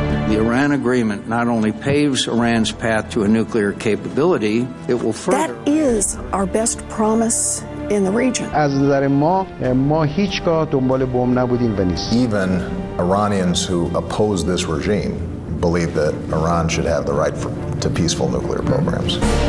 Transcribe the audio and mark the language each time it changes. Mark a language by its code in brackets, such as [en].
[en] The Iran agreement not only paves Iran's path to a nuclear capability, it will further. That is our best promise in the region. [fa] از نظر ما هیچگاه دنبال بمب نبودیم و نیست. [en] Even Iranians who oppose this regime believe that Iran should have the right to peaceful nuclear programs.